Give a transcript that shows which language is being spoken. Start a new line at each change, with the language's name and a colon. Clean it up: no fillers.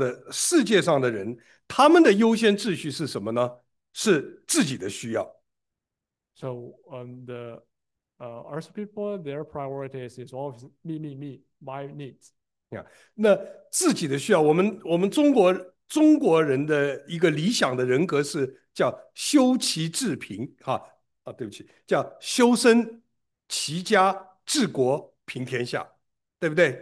Chinese: 世界上的人，他们的优先秩序是什么呢？是自己的需要。
English: So, earth people, their priorities is always me, my needs.
Chinese: 那自己的需要，我们中国人的一个理想的人格是叫修齐治平，对不起，叫修身齐家治国平天下，对不对？